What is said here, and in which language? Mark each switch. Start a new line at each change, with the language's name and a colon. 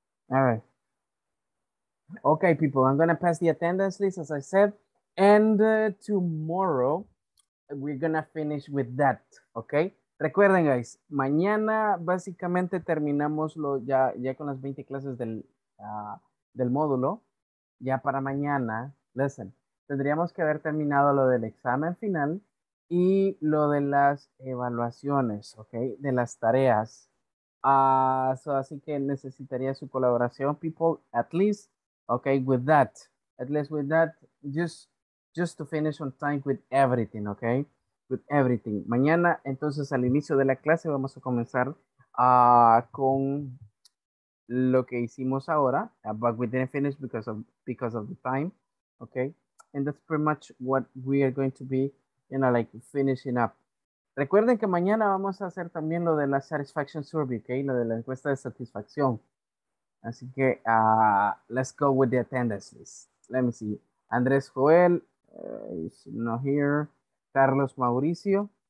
English: All right. Okay, people, I'm going to pass the attendance list, as I said. And tomorrow, we're going to finish with that, okay?
Spanish: Recuerden, guys, mañana básicamente terminamos ya con las 20 clases del módulo. Ya para mañana, listen, tendríamos que haber terminado lo del examen final y lo de las evaluaciones, okay? De las tareas. Así que necesitaría su colaboración,
English: people, at least, okay, with that. At least with that, just to finish on time with everything, okay? with everything.
Spanish: Mañana, entonces, al inicio de la clase, vamos a comenzar con lo que hicimos ahora.
English: But we didn't finish because of the time, okay? And that's pretty much what we are going to be, you know, like finishing up.
Spanish: Recuerden que mañana vamos a hacer también lo de la satisfaction survey, okay? Lo de la encuesta de satisfacción. Así que
English: let's go with the attendance list. Let me see. Andrés Joel is not here. Carlos Mauricio.